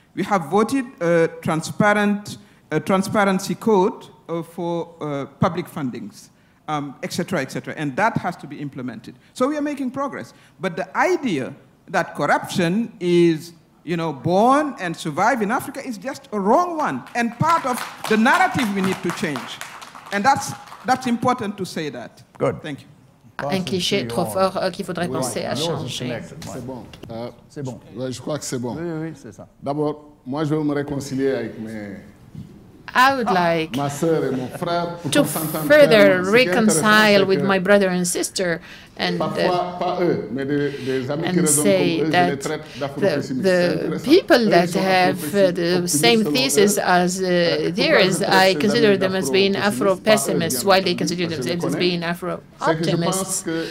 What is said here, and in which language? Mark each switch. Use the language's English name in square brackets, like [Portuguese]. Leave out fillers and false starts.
[English] We have voted a transparency code for public fundings, etc., and that has to be implemented. So we are making progress. But the idea that corruption is, you know, born and survive in Africa is just a wrong one, and part of the narrative we need to change. And that's important to say that. Good. Thank you. [French] Un cliché trop fort qu'il faudrait penser à changer. C'est bon. C'est bon. Je crois que c'est bon. Oui, c'est ça. D'abord, moi, je veux me réconcilier avec mes. [English] I would like [French] ma sœur et mon frère [English] to further reconcile with my brother and sister and say that the people that have the same thesis as theirs, I consider them as being Afro-pessimists, while they consider themselves as being Afro-optimists.